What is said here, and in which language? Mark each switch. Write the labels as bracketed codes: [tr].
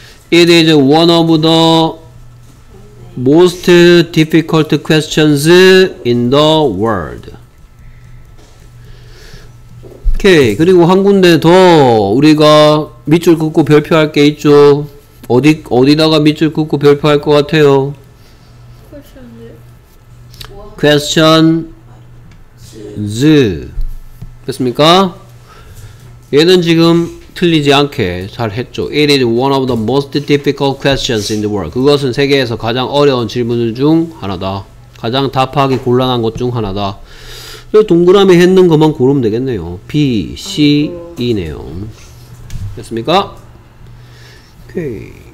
[en] It is one of the most difficult questions in the world. Okay. [ko] 그리고 한 군데 더 우리가 밑줄 긋고 별표할 게 있죠. 어디다가 밑줄 긋고 별표할 것 같아요? [en] Questions. [ko] 됐습니까? 얘는 지금 틀리지 않게 잘 했죠. [en] It is one of the most difficult questions in the world. [ko] 그것은 세계에서 가장 어려운 질문 중 하나다. 가장 답하기 곤란한 것 중 하나다. 동그라미 했는 것만 고르면 되겠네요. B, C, E네요. 됐습니까? 오케이.